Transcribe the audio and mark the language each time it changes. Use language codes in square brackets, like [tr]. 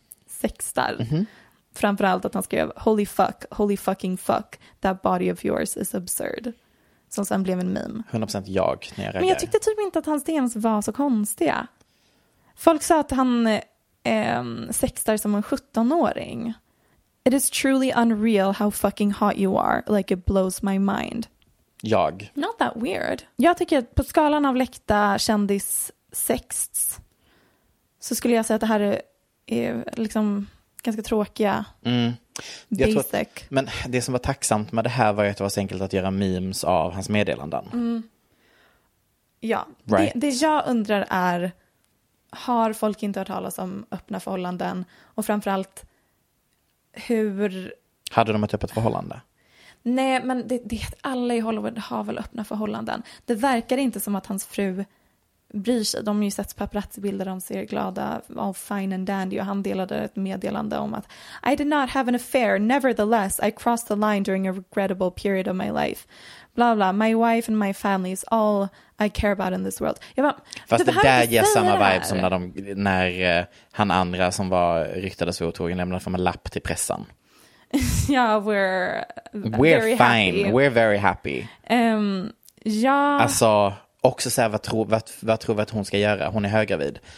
[sv] Sextar. Mm-hmm. Framförallt att han skrev [en] holy fuck, holy fucking fuck, that body of yours is absurd. [sv] Som sen blev en meme. 100% jag när jag reagerar. Men jag tyckte typ inte att hans DMs var så konstiga. Folk sa att han sextar som en 17-åring. [en] It is truly unreal how fucking hot you are. Like it blows my mind. [sv] Jag. [en] Not that weird. [sv] Jag tycker att på skalan av läckta kändis sexts så skulle jag säga att det här är liksom ganska tråkiga. Mm. Jag tror att, men det som var tacksamt med det här var ju att det var så enkelt att göra memes av hans meddelanden. Mm. Ja, right. Det jag undrar är, har folk inte hört talas om öppna förhållanden? Och framförallt, hur... Hade de ett öppet förhållande? Nej, men det alla i Hollywood har väl öppna förhållanden. Det verkar inte som att hans fru bryr sig. De har ju sett paparazzi-bilder, de ser glada, [en] all fine and dandy, [sv] och han delade ett meddelande om att [en] I did not have an affair, nevertheless I crossed the line during a regrettable period of my life. [sv] Bla bla, [en] my wife and my family is all I care about in this world. [sv] Jag bara, fast det där ger samma vibe som när han andra som var ryktades för otrogen lämnade fram en lapp till pressen. [en] Ja, we're very fine, happy. We're very happy. [sv] Ja, alltså också så här, vad tror vi att hon ska göra? Hon är högravid.